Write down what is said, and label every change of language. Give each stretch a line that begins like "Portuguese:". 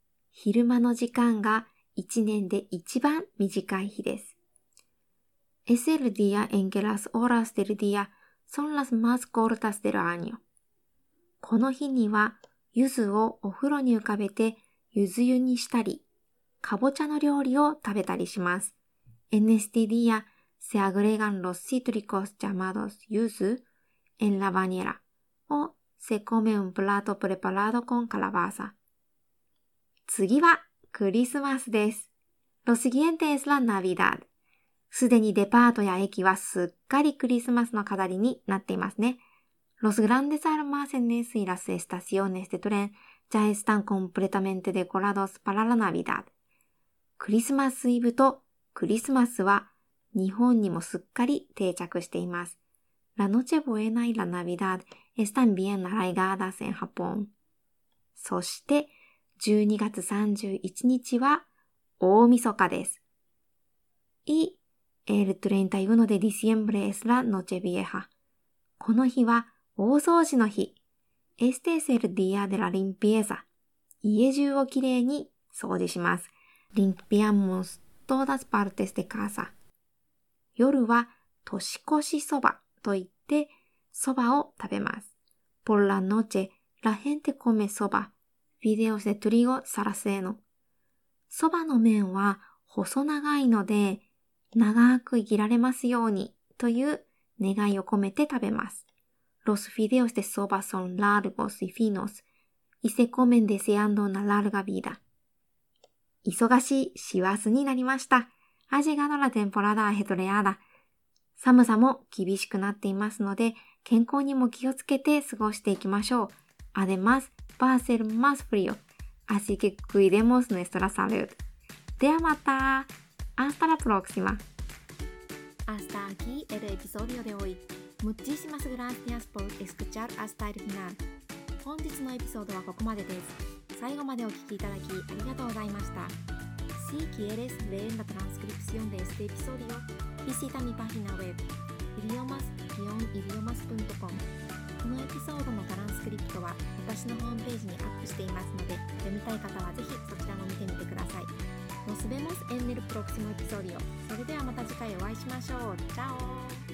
Japanese: 昼間の時間が一年で一番短い日です。
Spanish: Es el día en que las horas del día son las más cortas del año.
Japanese: この日には、柚子をお風呂に浮かべて柚子湯にしたり、かぼちゃの料理を食べたりします。
Spanish: En este día se agregan los cítricos llamados 柚子 en la bañera o se come un plato preparado con calabaza.
Japanese: 次はクリスマスです。
Spanish: Lo siguiente es la Navidad.
Japanese: すでにデパートや駅はすっかりクリスマスの飾りになっていますね。
Spanish: Los grandes almacenes y las estaciones de tren ya están completamente decorados para la Navidad.
Japanese: クリスマスイブとクリスマスは日本にもすっかり定着しています。
Spanish: La noche buena y la Navidad están bien arraigadas en Japón.
Japanese: そして12月31日は大晦日です。
Spanish: El 31 de diciembre es la noche vieja.
Japanese: この日は大掃除の日。
Spanish: Este es el día de la limpieza.
Japanese: 家中をきれいに掃除します。
Spanish: Limpiamos todas partes de casa.
Japanese: 夜は年越しそばと言って、そばを食べます。
Spanish: Por la noche, la gente come soba. Videos de trigo saraceno.
Japanese: そばの麺は細長いので、長く生きられますようにという願いを込めて食べます。
Spanish: Los fideos de soba son largos y finos y se comen deseando una larga vida.
Japanese: 忙しい師走になりました。
Spanish: Ha llegado la temporada ajetreada.
Japanese: 寒さも厳しくなっていますので、健康にも気をつけて過ごしていきましょう。
Spanish: Además, va a ser más frío. Así que cuidemos nuestra salud.
Japanese: ではまた。
Spanish: Hasta la próxima. Hasta aquí el episodio de hoy. Muchísimas gracias por escuchar hasta el final.
Japanese: 本日のエピソードはここまでです。最後までお聞きいただきありがとうございました。
Spanish: Si quieres leer la transcripción de este episodio, visita mi página web idiomas-idiomas.com.
Japanese: このエピソードのトランスクリプトは私のホームページにアップしていますので、読みたい方はぜひそちらも見てみてください。
Spanish: Nos vemos en el próximo episodio.
Japanese: それではまた次回お会いしましょう。チャオ。